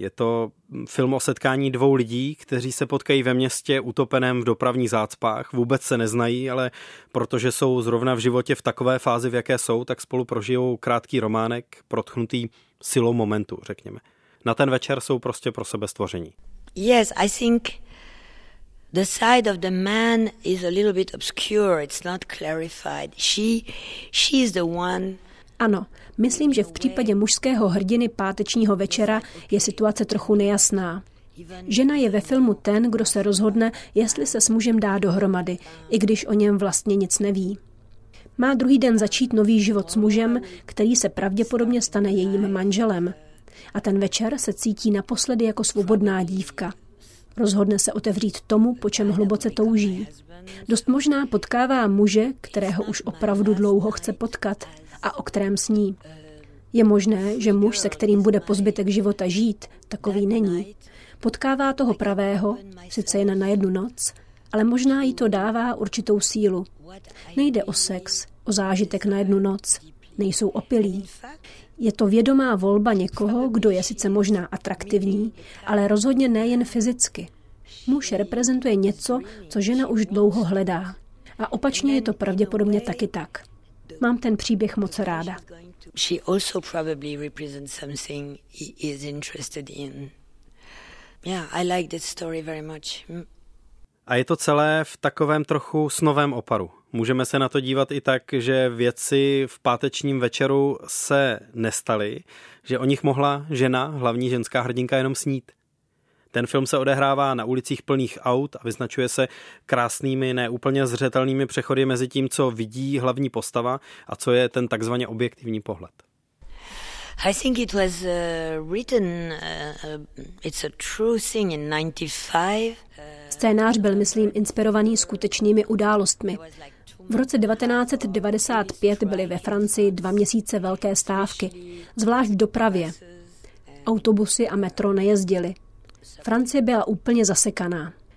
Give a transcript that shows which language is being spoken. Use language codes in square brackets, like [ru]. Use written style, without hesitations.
[cs] Je to film o setkání dvou lidí, kteří se potkají ve městě utopeném v dopravních zácpách. Vůbec se neznají, ale protože jsou zrovna v životě v takové fázi, v jaké jsou, tak spolu prožijou krátký románek, protchnutý silou momentu, řekněme. Na ten večer jsou prostě pro sebe stvoření. [en] Yes, I think the side of the man is a little bit obscure. It's not clarified. She is the one [cs] Ano, myslím, že v případě mužského hrdiny pátečního večera je situace trochu nejasná. Žena je ve filmu ten, kdo se rozhodne, jestli se s mužem dá dohromady, i když o něm vlastně nic neví. Má druhý den začít nový život s mužem, který se pravděpodobně stane jejím manželem. A ten večer se cítí naposledy jako svobodná dívka. Rozhodne se otevřít tomu, po čem hluboce touží. Dost možná potkává muže, kterého už opravdu dlouho chce potkat a o kterém sní. Je možné, že muž, se kterým bude po zbytek života žít, takový není. Potkává toho pravého, sice jen na jednu noc, ale možná jí to dává určitou sílu. Nejde o sex, o zážitek na jednu noc, nejsou opilí. Je to vědomá volba někoho, kdo je sice možná atraktivní, ale rozhodně ne jen fyzicky. Muž reprezentuje něco, co žena už dlouho hledá. A opačně je to pravděpodobně taky tak. Mám ten příběh moc ráda. [en] She also probably represents something he is interested in. Yeah, I like this story very much. [cs] A je to celé v takovém trochu snovém oparu. Můžeme se na to dívat i tak, že věci v pátečním večeru se nestaly, že o nich mohla žena, hlavní ženská hrdinka, jenom snít. Ten film se odehrává na ulicích plných aut a vyznačuje se krásnými, neúplně zřetelnými přechody mezi tím, co vidí hlavní postava a co je ten takzvaně objektivní pohled. [en] I think it was written, it's a true thing in 95. [cs] Scénář byl, myslím, inspirovaný skutečnými událostmi. V roce 1995 byly ve Francii 2 měsíce velké stávky, zvlášť v dopravě. Autobusy a metro nejezdily. Francie byla úplně zasekaná.